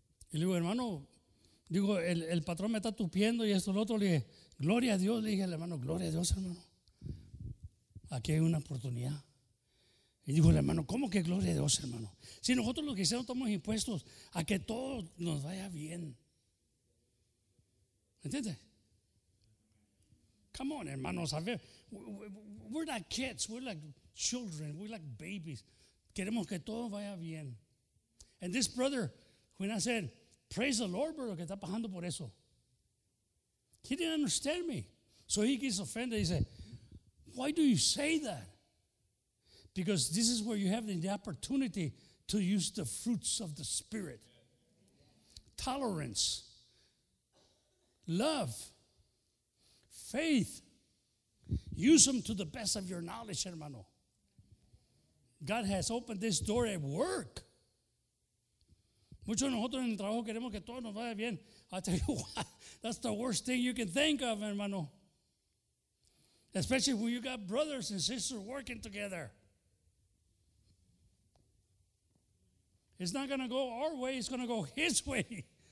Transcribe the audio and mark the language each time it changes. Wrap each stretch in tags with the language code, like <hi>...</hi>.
<es>Y le digo, hermano, digo, el patrón me está tupiendo y esto, lo otro. Le dije, gloria a Dios, le dije al hermano, gloria a Dios, hermano. Aquí hay una oportunidad. Y dijo el hermano, ¿cómo que gloria a Dios, hermano? Si nosotros los cristianos estamos impuestos a que todo nos vaya bien. ¿Me entiendes?</es> <en>Come on,</en> <es>hermanos, a ver,</es> <en>we're like kids, we're like children, we're like babies.</en> <es>Queremos que todo vaya bien.</es> <en>And this brother, when I said, praise the Lord, brother,</en> <es>que está pasando por eso.</es> <en>He didn't understand me. So he gets offended. He said, why do you say that? Because this is where you have the opportunity to use the fruits of the Spirit. Tolerance. Love. Faith. Use them to the best of your knowledge,</en> <es>hermano.</es> <en>God has opened this door at work.</en> <es>Muchos de nosotros en el trabajo queremos que todo nos vaya bien.</es> <en>I tell you what, that's the worst thing you can think of,</en> <es>hermano.</es> <en>Especially when you got brothers and sisters working together. It's not going to go our way, it's going to go his way.</en>